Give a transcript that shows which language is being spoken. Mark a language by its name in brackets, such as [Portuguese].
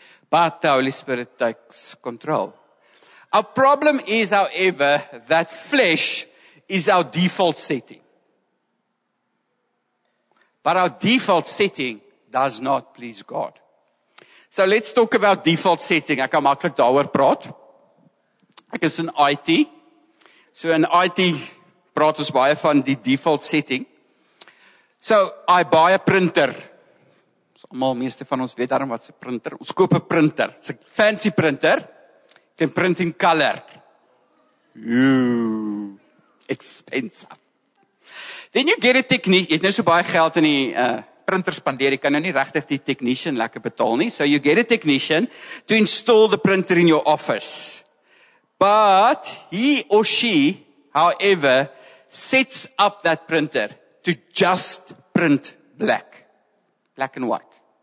[English] But the Holy Spirit takes control. Our problem is, however, that flesh is our default setting. But our default setting does not please God. So let's talk about default setting. [Afrikaans] Ek kan maklik daaroor praat. Ek is in IT. So in IT praat ons baie van die default setting. [English] So I buy a printer. [Afrikaans] So almal meeste van ons weet daarom wat 'n printer. Ons koop 'n printer. [English] It's a fancy printer. It can print in color. Ooh, expensive. Then you get a technician. [Afrikaans] Jy het nou so baie geld in die printer spandeer. Jy kan nou nie regtig die technician lekker betaal nie. [English] So you get a technician to install the printer in your office. But he or she, however, sets up that printer to just print black. Black and white.